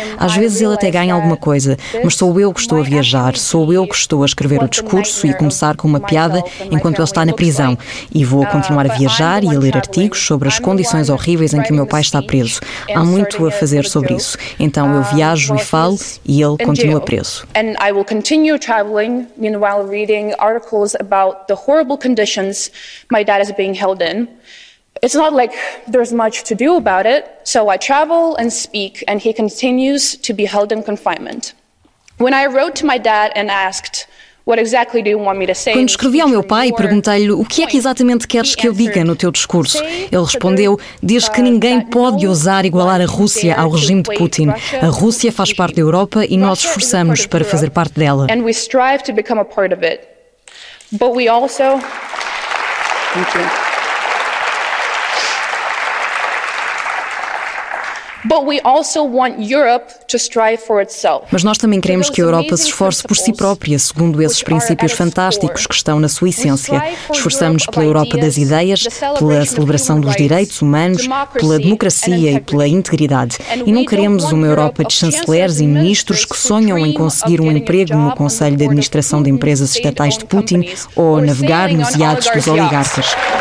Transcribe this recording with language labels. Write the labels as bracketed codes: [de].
[pt] Às vezes ele até ganha alguma coisa, mas sou eu que estou a viajar, sou eu que estou a escrever o discurso e a começar com uma piada enquanto ele está na prisão. E vou continuar a viajar e a ler artigos sobre as condições horríveis em que o meu pai está preso. Há muito a fazer sobre isso. Então eu viajo e falo e ele continua preso. E eu vou continuar [en] traveling, meanwhile reading articles about the horrible conditions my dad is being held in. It's not like there's much to do about it, so I travel and speak, and he continues to be held in confinement. When I wrote to my dad and asked, "What exactly do you want me to say?" [pt] Quando escrevi ao meu pai e perguntei-lhe o que é que exatamente queres que eu diga no teu discurso, ele respondeu: "Diz que ninguém pode ousar igualar a Rússia ao regime de Putin. A Rússia faz parte da Europa e nós esforçamos para fazer parte dela." [en] And we strive to become a part of it, but we also. Thank you. But we also want Europe to strive for itself. [pt] Mas nós também queremos que a Europa se esforce por si própria, segundo esses princípios fantásticos que estão na sua essência. Esforçamos pela Europa das ideias, pela celebração dos direitos humanos, pela democracia e pela integridade. E não queremos uma Europa de chanceleres e ministros que sonham em conseguir um emprego no Conselho de Administração de Empresas Estatais de Putin ou navegar nos iates dos oligarcas.